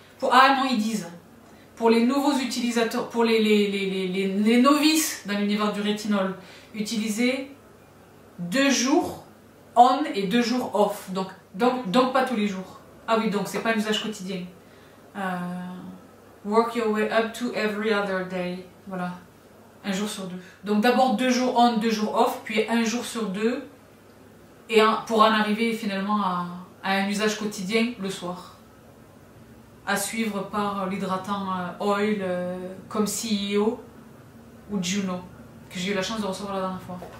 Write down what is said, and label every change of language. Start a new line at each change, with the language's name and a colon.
French: Ah non, ils disent... Pour les nouveaux utilisateurs, pour les novices dans l'univers du rétinol, utilisez 2 jours on et 2 jours off. Donc pas tous les jours. Ah oui, donc c'est pas un usage quotidien.
English: Work your way up to every other day.
French: Voilà. 1 jour sur 2. Donc d'abord 2 jours on, 2 jours off, puis 1 jour sur 2. Et pour en arriver finalement à un usage quotidien le soir. À suivre par l'hydratant oil comme CEO ou Juno, que j'ai eu la chance de recevoir la dernière fois.